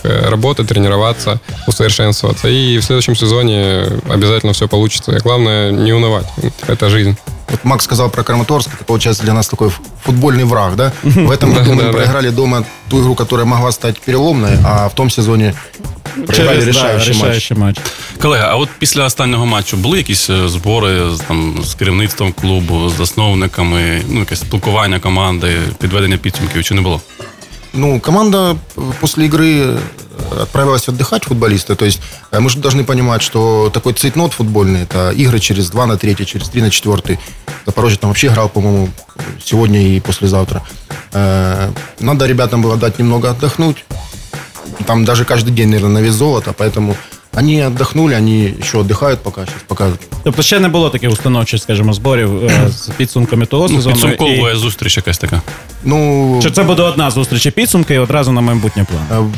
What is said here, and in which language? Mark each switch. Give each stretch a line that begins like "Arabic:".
Russian: Работать, тренироваться, усовершенствоваться. И в следующем сезоне обязательно все получится. И главное, не унывать. Это жизнь. Вот Макс сказал про Краматорск, это получается для нас такой футбольный враг, да? В этом году мы проиграли дома ту игру, которая могла стать переломной, а в том сезоне проиграли решающий матч.
Ukrainian: Колега, а от після останнього матчу були якісь збори там з керівництвом клубу, з засновниками, ну, якесь спілкування команди, підведення підсумків, чи не було?
Russian: Ну, команда после игры отправилась отдыхать, футболисты. То есть мы же должны понимать, что такой цейтнот футбольный – это игры через 2 на 3, через 3 на 4. Запорожье там вообще играл, по-моему, сегодня и послезавтра. Надо ребятам было дать немного отдохнуть. Там даже каждый день, наверное, на вес золота, поэтому… Они отдохнули, они еще отдыхают пока сейчас, показывают.
Ukrainian: Тобто ще не було таких установчих, скажімо, зборів з підсумками того сезону? Підсумковує і... зустріч якась така. Ну, чи це буде одна зустріч і підсумки, і одразу на майбутнє план?